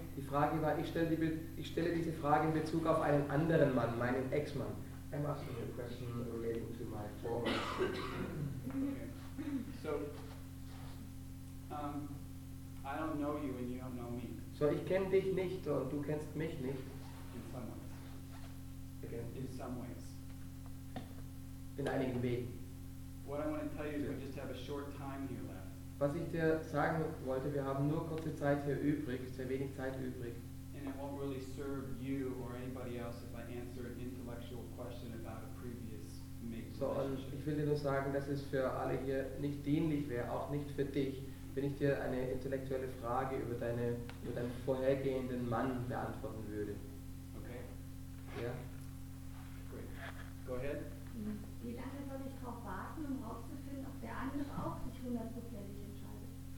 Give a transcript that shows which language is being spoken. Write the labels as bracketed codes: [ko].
[de] Die Frage war, ich stelle diese Frage in Bezug auf einen anderen Mann, meinen Ex-Mann. [en] I'm asking a question relating to my former. Okay. So, I don't know you and you don't know me. [de] So, ich kenne dich nicht und du kennst mich nicht. [en] In some ways. Again. In some ways. [de] In einigen Wegen. [en] What I want to tell you is we just have a short time here left. [de] Was ich dir sagen wollte, wir haben nur kurze Zeit hier übrig, sehr wenig Zeit übrig. [en] And it won't really serve you or anybody else if I answer an intellectual question about a previous mate. [de] So, und ich will dir nur sagen, dass es für alle hier nicht dienlich wäre, auch nicht für dich, wenn ich dir eine intellektuelle Frage über deinen vorhergehenden Mann beantworten würde. [en] Okay. [de] Ja? Yeah. [en] Great. Go ahead. [de] Wie lange soll ich darauf warten, um herauszufinden, ob der andere auch sich 100% entscheidet?